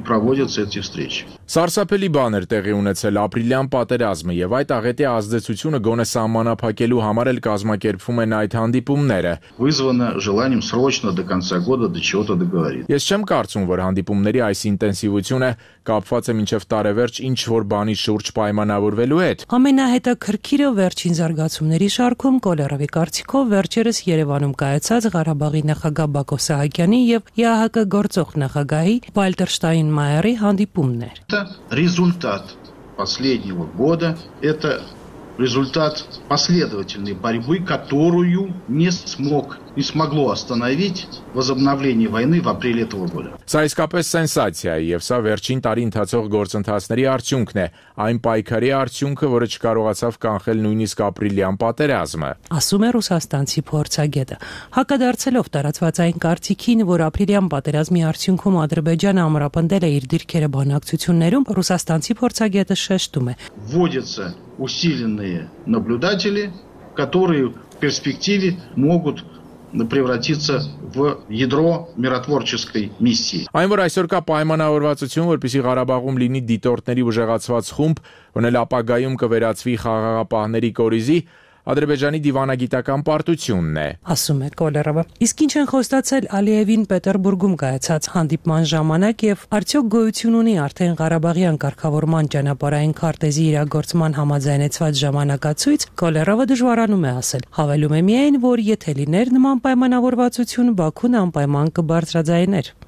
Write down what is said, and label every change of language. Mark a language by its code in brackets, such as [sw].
[hy] Սարսափելի բան էր տեղի ունեցել ապրիլյան պատերազմը և այդ աղետի ազդեցությունը գոնե սահմանափակելու համար էլ կազմակերպվում են այդ հանդիպումները։ Ես չեմ կարծում, որ հանդիպումների այս ինտենսիվությունը կապված է մինչև տարեվերջ ինչ-որ բանի շուրջ պայմանավորվելու հետ։ Ամենահետաքրքիրը վերջին զարգացումների շարքում Կոլերովի կարծիքով վերջերս Երևանում կայացած Ղարաբաղի նախագահ Բակո Սահակյանի և ԵԱՀԿ գործող նախագահի Վալտեր Շտայնմայերի հանդիպումն էր։ [ru] Это результат последнего года, это результат последовательной борьбы, которую не смогло остановить возобновление войны в апреле этого года. [hy] Սա իսկապես սենսացիա է, և սա վերջին տարի ընթացող գործընթացների արդյունքն է, այն պայքարի արդյունքը, որը չկարողացավ կանխել նույնիսկ ապրիլյան պատերազմը, ասում է ռուսաստանցի փորձագետը, հակադարձելով տարածված այն կարծիքին, որ ապրիլյան պատերազմի արդյունքում Ադրբեջանը ամրապնդել է իր դիրքերը բանակցություններում, ռուսաստանցի փորձագետը շեշտում է. [ru] Вводятся усиленные наблюдатели, которые в перспективе могут превратиться в ядро миротворческой миссии. [hy] Այն, որ այսօր կա պայմանավորվածություն, որպեսզի Ղարաբաղում լինի դիտորդների ուժեղացված խումբ, որն էլ ապագայում կվերածվի խաղաղապահների կորիզի, Ադրբեջանի դիվանագիտական պարտությունն է, ասում է Կոլերովը։ Իսկ ինչ են խոստացել Ալիևին Պետերբուրգում կայացած հանդիպման ժամանակ եւ արդյոք գոյություն ունի արդեն Ղարաբաղյան կարգավորման ճանապարհային քարտեզի իրագործման համաձայնեցված ժամանակացույց, Կոլերովը դժվարանում է ասել։ Հավելում է միայն, որ եթե լիներ նման պայմանավորվածություն, Բաքուն անպայման կբարձրաձայներ։